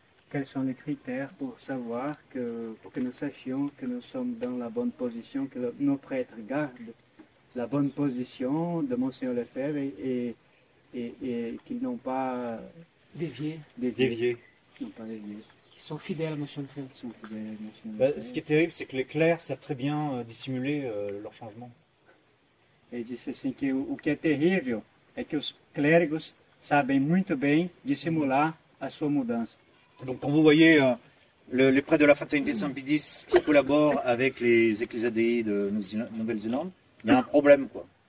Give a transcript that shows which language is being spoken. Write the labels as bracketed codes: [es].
[fr] Quels sont les critères pour savoir que, pour que nous sachions que nous sommes dans la bonne position, que nos prêtres gardent la bonne position de Mgr Lefebvre et qu'ils n'ont pas dévié. N'ont pas dévié. Ils sont fidèles à Mgr Lefebvre. Ce qui est terrible, c'est que les clercs savent très bien dissimuler leur changement. [pt] Et disse assim que o que é terrível é que os clérigos sabem muito bem dissimular a sua mudança. [fr] Donc quand vous voyez les prêtres de la fraternité Saint Pidis qui collaborent avec les églises ADI de Nouvelle-Zélande, il y a un problème quoi.